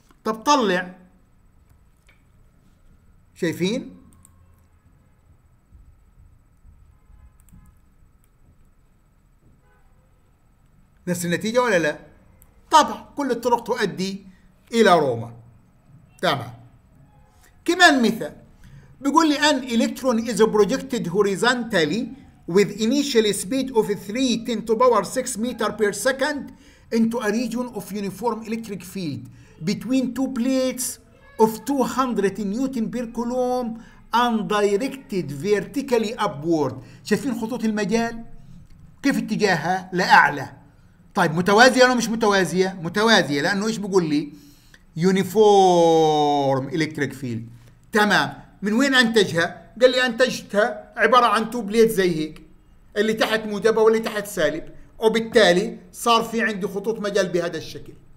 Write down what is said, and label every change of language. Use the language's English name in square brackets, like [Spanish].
[Arabic] طب طلع، شايفين؟ نفس النتيجة ولا لا؟ طبعا كل الطرق تؤدي إلى روما. تمام. [English] كمان مثال بيقول لي أن electron is projected horizontally with initial speed of 3×10⁶ meter per second into a region of uniform electric field between two plates of 200 newton per coulomb and directed vertically upward. [Arabic] شايفين خطوط المجال كيف اتجاهها لأعلى؟ طيب متوازية أو مش متوازية؟ متوازية، لأنه إيش بيقول لي؟ uniform electric field. تمام، من وين أنتجها؟ قال لي أنتجتها عبارة عن two plates زي هيك، اللي تحت موجبة واللي تحت سالب، وبالتالي صار في عندي خطوط مجال بهذا الشكل.